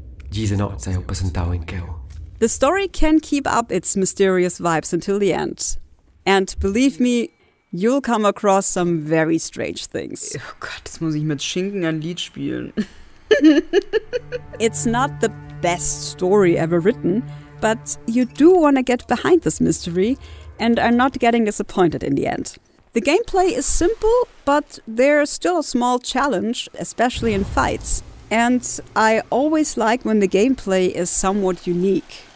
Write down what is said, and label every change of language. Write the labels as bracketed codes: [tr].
[en] The story can keep up its mysterious vibes until the end, and believe me, you'll come across some very strange things. [de] Oh Gott, jetzt muss ich mit Schinken ein Lied spielen. [en] It's not the best story ever written, but you do want to get behind this mystery and are not getting disappointed in the end. The gameplay is simple, but there's still a small challenge, especially in fights. And I always like when the gameplay is somewhat unique.